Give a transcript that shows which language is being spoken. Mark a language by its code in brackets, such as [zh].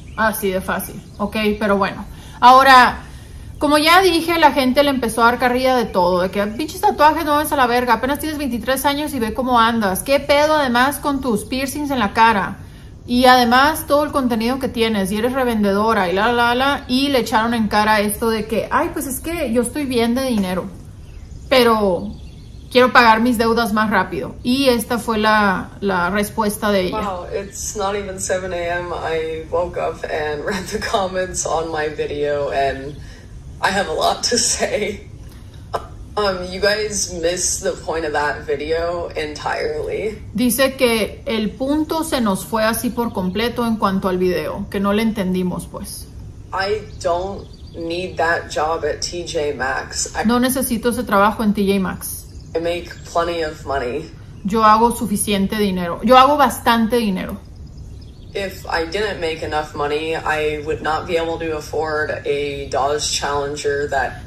[es] Así de fácil, ¿ok? Pero bueno, ahora... Como ya dije, la gente le empezó a dar carrilla de todo, de que pinches tatuajes no vas a la verga, apenas tienes 23 años y ve cómo andas, qué pedo además con tus piercings en la cara y además todo el contenido que tienes y eres revendedora y la, y le echaron en cara esto de que, ay, pues es que yo estoy bien de dinero, pero quiero pagar mis deudas más rápido. Y esta fue la respuesta de ella. [en] Wow, it's not even 7 a.m. I woke up and read the comments on my video and I have a lot to say. You guys missed the point of that video entirely. [es] Dice que el punto se nos fue así por completo en cuanto al video, que no le entendimos, pues. [en] I don't need that job at TJ Maxx. [es] No necesito ese trabajo en TJ Maxx. [en] I make plenty of money. [es] Yo hago suficiente dinero. Yo hago bastante dinero. [en] If I didn't make enough money, I would not be able to afford a Dodge Challenger that...